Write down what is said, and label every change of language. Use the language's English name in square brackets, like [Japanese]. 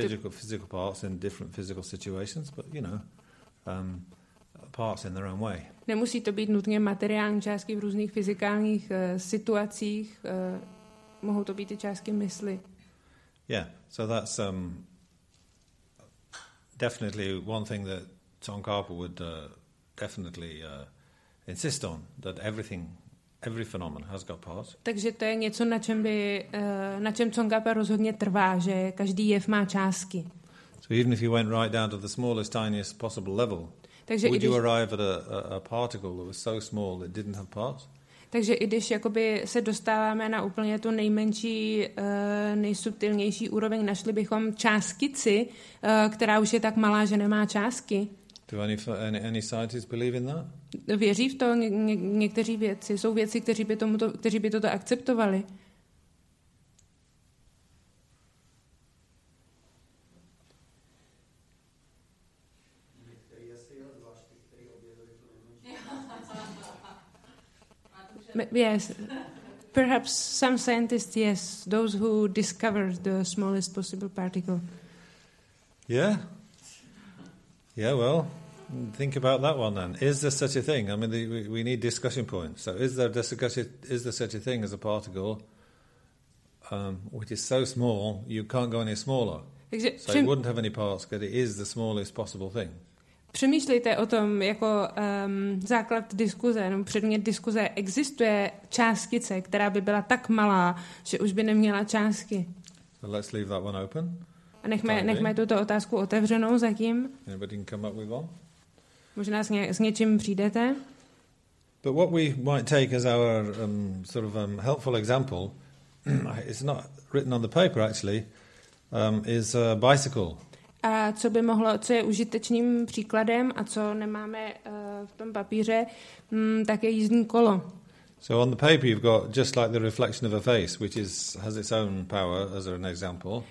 [English] Physical parts in different physical situations, but you know, parts in their own way. [Czech] Nemusí to být nutně materiální částky v různých fyzikálních situacích. Mohou to být i částky mysli. [English] Yeah, so that's definitely one thing that Tsongkhapa would definitely insist on, that everything Every phenomenon has got parts. [Czech] Takže to je něco, na čem Tsongkhapa rozhodně trvá, že každý jev má částky. [English] So even if you went right down to the smallest, tiniest possible level, takže would you arrive at a particle that was so small it didn't have parts? [Czech] Takže i když jakoby se dostáváme na úplně tu nejmenší, nejsubtilnější úroveň, našli bychom částkici, která už je tak malá, že nemá částky. [English] Do any scientists believe in that? [Czech] Věří v to někteří vědci? Jsou vědci, kteří by toto akceptovali? [English] Yes, perhaps some scientists, yes, those who discover the smallest possible particle. Yeah, well, think about that one then. Is there such a thing? I mean, we need discussion points. So is there such a thing as a particle which is so small you can't go any smaller? So it wouldn't have any parts because it is the smallest possible thing. [Czech] Přemýšlejte o tom jako základ diskuze, nebo předmět diskuze. Existuje částkice, která by byla tak malá, že už by neměla částky? [English] So let's leave that one open. [Czech] A nechme tuto otázku otevřenou zatím. [English] Anybody can come up with one? [Czech] Možná s něčím přijdete. [English] But what we might take as our helpful example, it's not written on the paper actually, is a bicycle. [Czech] A co by mohlo, co je užitečným příkladem a co nemáme v tom papíře, tak je jízdní kolo. [English] So on the paper you've got just like the reflection of a face, which is has its own power as an example.